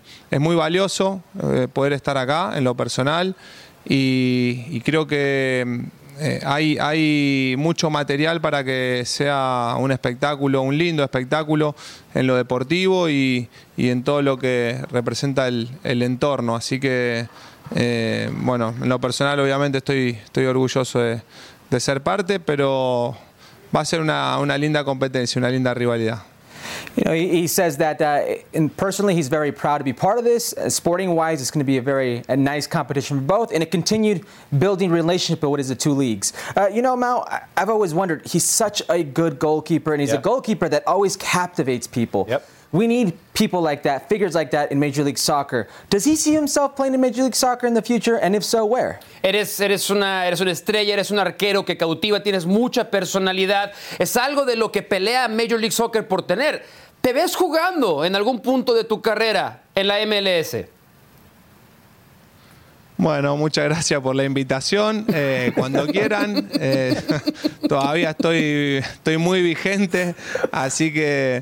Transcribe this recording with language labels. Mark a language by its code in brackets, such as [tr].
[es] Es muy valioso poder estar acá en lo personal y creo que hay mucho material para que sea un espectáculo, un lindo espectáculo en lo deportivo y en todo lo que representa el entorno. Así que, bueno, en lo personal obviamente estoy orgulloso de ser parte, pero va a ser una linda competencia, una linda rivalidad. [en] You know, he says that and personally he's very proud to be part of this. Sporting-wise, it's going to be a nice competition for both and a continued building relationship with the two leagues. You know, Mao, I've always wondered, he's such a good goalkeeper, and he's a goalkeeper that always captivates people. Yep. We need people like that, figures like that in Major League Soccer. Does he see himself playing in Major League Soccer in the future? And if so, where? [es] Eres una estrella, eres un arquero que cautiva, tienes mucha personalidad. Es algo de lo que pelea Major League Soccer por tener. ¿Te ves jugando en algún punto de tu carrera en la MLS? Bueno, muchas gracias por la invitación. Cuando quieran, todavía estoy muy vigente, así que...